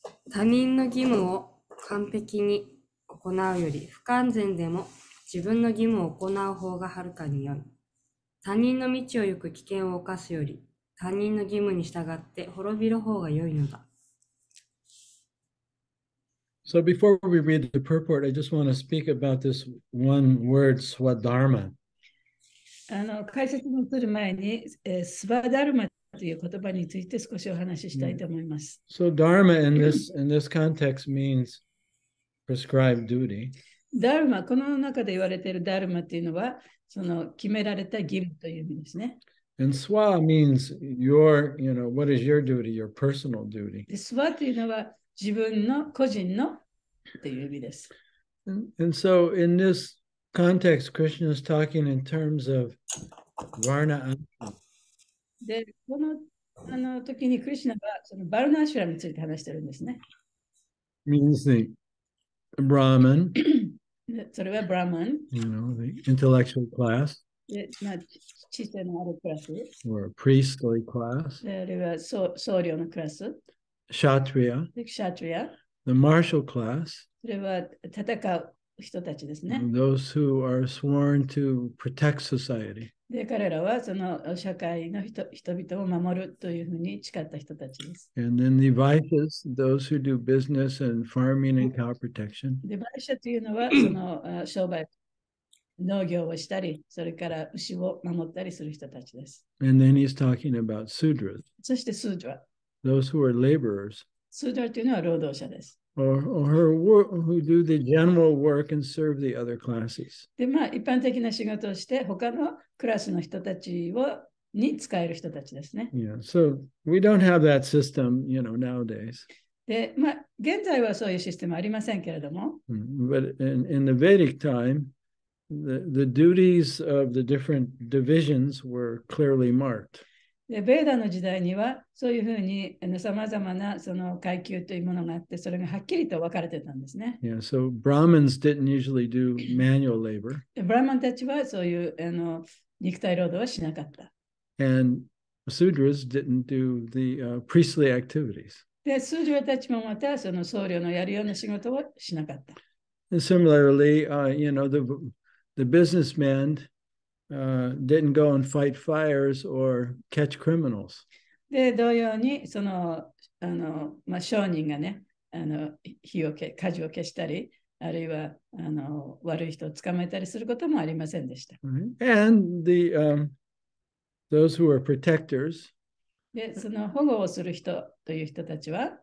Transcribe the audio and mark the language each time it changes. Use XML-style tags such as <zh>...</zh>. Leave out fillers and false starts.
<ja>他人の義務を完璧に行うより、不完全でも自分の義務を行う方がはるかに良い。他人の道を行く危険を犯すより、他人の義務に従って滅びる方が良いのだ。</ja> <en>So before we read the purport, I just want to speak about this one word, Svadharma.</en> <ja>あの、解説をする前に、Svadharma という言葉について少しお話ししたいと思います。</ja> <en>So Dharma in this context means prescribed duty.</en> <ja>Dharma, この中で言われている Dharma というのは、その決められた義務という意味ですね。</ja> <en>And Sva means your, you know, what is your duty, your personal duty.</en> <ja>Sva というのは、自分の個人のという意味です。</ja> <en>And so in this context, Krishna is talking in terms of Varna Ashram.</en> <ja>で、この、あの時に Krishna はそのバルナアシュラムについて話してるんですね。</ja> <en>Means the Brahman.</en> <ja>それはブラマン。</ja> <en>You know, the intellectual class.</en> <ja>で、まあ、知性のあるクラス。</ja> <en>Or a priestly class.</en> <ja>で、あるいは僧侶のクラス。</ja> <en>Kshatriya,</en> <ja>Kshatriya,</ja> <en>the martial class,</en> <ja>それは戦う人たちですね。</ja> <en>Those who are sworn to protect society.</en> <ja>で、彼らはその社会の人々を守るというふうに誓った人たちです。</ja> <en>And then the Vaishyas, those who do business and farming and cow protection.</en> <ja>で、バイシャというのはその商売、農業をしたり、それから牛を守ったりする人たちです。</ja> <en>And then he's talking about Sudras.</en> <ja>そしてスードラ。</ja> <en>Those who are laborers.</en> <ja>Sudra というのは労働者です。</ja> <en>Or who do the general work and serve the other classes.</en> <ja>で、まあ、一般的な仕事をして、他のクラスの人たちをに使える人たちですね。</ja> <en>Yeah, so we don't have that system, you know, nowadays.</en> <ja>で、まあ、現在はそういうシステムありませんけれども。</ja> <en>But in the Vedic time, the duties of the different divisions were clearly marked.</en> <ja>で、ベーダの時代にはそういうふうにさまざまなその階級というものがあって、それがはっきりと分かれてたんですね。</ja> <en>Yeah, so Brahmins didn't usually do manual labor.</en> <ja>ブラマンたちはそういう肉体労働はしなかった。</ja> <en>And Sudras didn't do the priestly activities.</en> <ja>で、スードラたちもまたその僧侶のやるような仕事をしなかった。</ja> <en>And similarly, you know, the businessmandidn't go and fight fires or catch criminals.</en> <ja>で、同様にその、まあ、商人がね、火を消したり、あるいはあの悪い人を捕まえたりすることもありませんでした。</ja> <en>Right. And the, those who were protectors,</en> <ja>で、その保護をする人という人たちは、</ja>